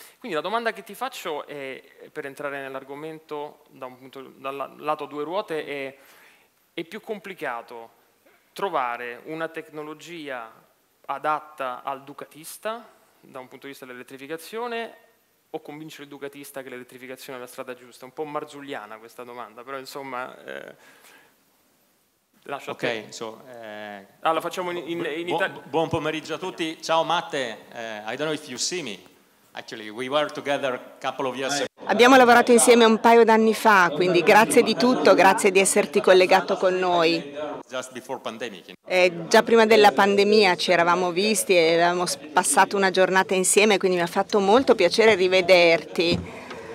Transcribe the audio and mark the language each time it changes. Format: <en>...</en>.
<it>Quindi la domanda che ti faccio è, per entrare nell'argomento dal lato due ruote, è più complicato trovare una tecnologia adatta al ducatista da un punto di vista dell'elettrificazione o convincere il ducatista che l'elettrificazione è la strada giusta? Un po' marzulliana questa domanda, però insomma lascio okay, a te.</it> <en>So,</en> <it>allora facciamo in Italia. Buon pomeriggio a tutti.</it> <en>Ciao Matte, I don't know if you see me. Actually, we were together a couple of years ago.</en> <it>Abbiamo lavorato insieme un paio d'anni fa, quindi grazie di tutto, grazie di esserti collegato con noi.</it> <en>Just before pandemic.</en> <it>Già prima della pandemia ci eravamo visti e avevamo passato una giornata insieme, quindi mi ha fatto molto piacere rivederti.</it>